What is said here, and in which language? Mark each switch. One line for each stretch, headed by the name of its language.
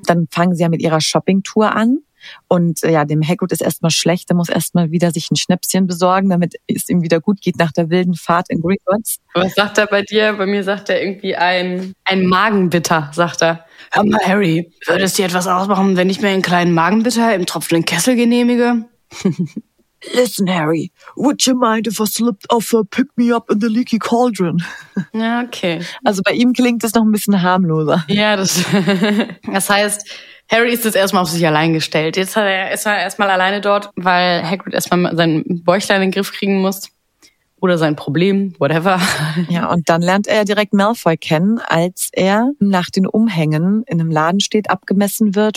German: Dann fangen sie ja mit ihrer Shoppingtour an und ja, dem Hagrid ist erstmal schlecht, der muss erstmal wieder sich ein Schnäpschen besorgen, damit es ihm wieder gut geht nach der wilden Fahrt in Gringotts. Was sagt er bei dir? Bei mir sagt er irgendwie ein Magenbitter, sagt er. Hör mal, Harry, würde es dir etwas ausmachen, wenn ich mir einen kleinen Magenbitter im tropfenden Kessel genehmige?
English: Listen, Harry, would you mind if I slipped off a pick-me-up in the leaky cauldron?
German: Ja, okay. Also bei ihm klingt das noch ein bisschen harmloser. Ja, das heißt, Harry ist jetzt erstmal auf sich allein gestellt. Jetzt ist er erstmal alleine dort, weil Hagrid erstmal sein Bäuchlein in den Griff kriegen muss. Oder sein Problem, whatever. Ja, und dann lernt er direkt Malfoy kennen, als er nach den Umhängen in einem Laden steht, abgemessen wird.